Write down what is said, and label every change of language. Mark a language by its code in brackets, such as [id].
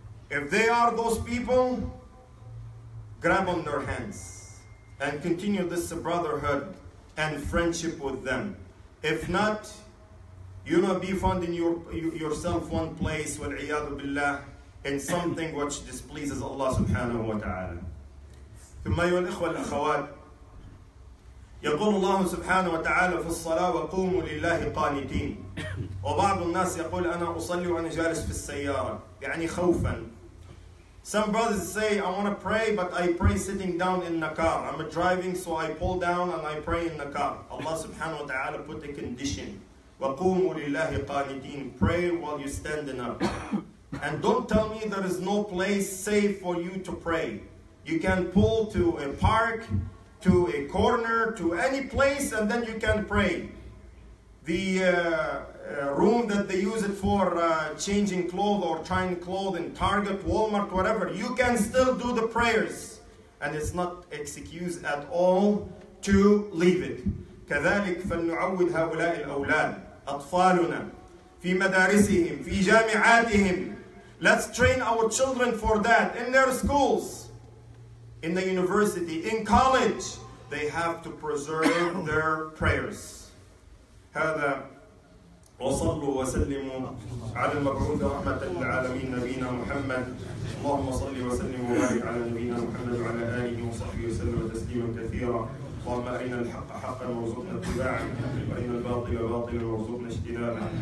[en] If they are those people, grab on their hands and continue this brotherhood and friendship with them. If not, you will not be found in yourself one place, [ar] والعياذ بالله, [en] in something which displeases Allah subhanahu wa ta'ala. [ar] ثم أيها الإخوة الأخوات, يقول الله سبحانه وتعالى في الصلاة وقوموا لله قانتين. وبعض الناس يقول أنا أصلي وأنا جالس في السيارة, يعني خوفا. [en] Some brothers say, I want to pray, but I pray sitting down in the car. I'm driving, so I pull down and I pray in the car. Allah subhanahu wa ta'ala put a condition. [ar] وَقُومُوا لِلَّهِ قَانِتِينَ. [en] Pray while you're standing up. And don't tell me there is no place safe for you to pray. You can pull to a park, to a corner, to any place, and then you can pray. The room that they use it for changing clothes or trying clothes in Target, Walmart, whatever, you can still do the prayers. And it's not an excuse at all to leave it. [ar] كذلك فلنعود هؤلاء الأولاد أطفالنا في مدارسهم في جامعاتهم. [en] Let's train our children for that in their schools, in the university, in college. They have to preserve their prayers. [ar] هذا وصلوا وسلموا على المبعوث رحمة للعالمين نبينا محمد. اللهم صل وسلم وبارك على نبينا محمد وعلى آله وصحبه وسلم تسليما كثيرا. اللهم أرنا الحق حقا وارزقنا اتباعه, وأرنا الباطل باطلا وارزقنا اجتنابه.